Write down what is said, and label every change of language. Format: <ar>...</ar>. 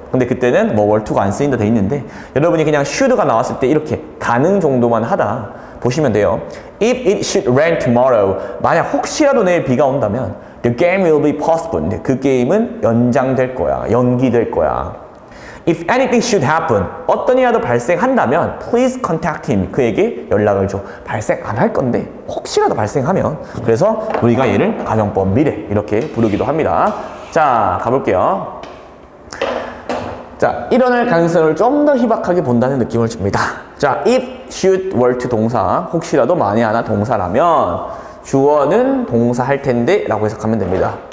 <ko>근데 그때는 뭐 were to가 안 쓰인다 돼 있는데, 여러분이 그냥 should가 나왔을 때 이렇게 가능 정도만 하다 보시면 돼요.</ko> <en>If it should rain tomorrow,</en> <ko>만약 혹시라도 내일 비가 온다면</ko> <en>the game will be postponed,</en> <ko>그 게임은 연장될 거야, 연기될 거야.</ko> <en>If anything should happen,</en> <ko>어떤 일이라도 발생한다면</ko> <en>please contact him,</en> <ko>그에게 연락을 줘. 발생 안 할 건데 혹시라도 발생하면. 그래서 우리가 얘를 가정법 미래 이렇게 부르기도 합니다. 자, 가볼게요. 자, 일어날 가능성을 좀 더 희박하게 본다는 느낌을 줍니다. 자, if, should, were to 동사, 혹시라도 만에 하나 동사라면 주어는 동사 할 텐데 라고 해석하면 됩니다.</ko>